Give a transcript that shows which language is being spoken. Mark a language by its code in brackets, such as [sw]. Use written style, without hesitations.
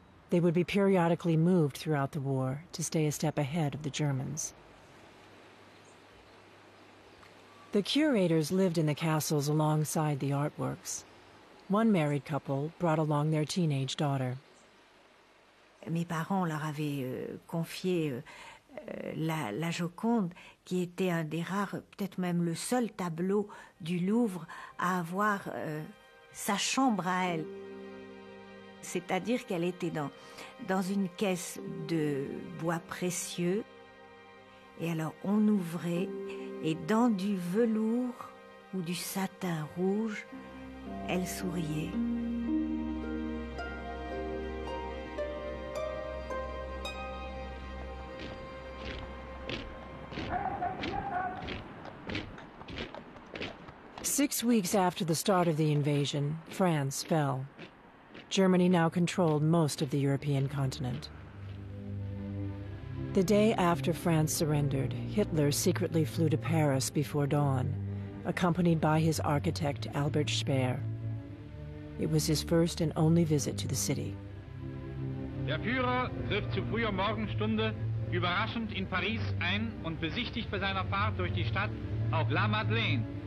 [en] They would be periodically moved throughout the war to stay a step ahead of the Germans. The curators lived in the castles alongside the artworks. One married couple brought along their teenage daughter. [fr] Mes parents leur avaient confié la Joconde, qui était un des rares, peut-être même le seul tableau du Louvre à avoir sa chambre à elle. C'est-à-dire qu'elle était dans une caisse de bois précieux. Et alors on ouvrait, et dans du velours ou du satin rouge, elle souriait. [en] Six weeks after the start of the invasion, France fell. Germany now controlled most of the European continent. The day after France surrendered, Hitler secretly flew to Paris before dawn, accompanied by his architect, Albert Speer. It was his first and only visit to the city. [de] Der Führer griff zu früher Morgenstunde überraschend in Paris ein und besichtigt bei seiner Fahrt durch die Stadt auch La Madeleine.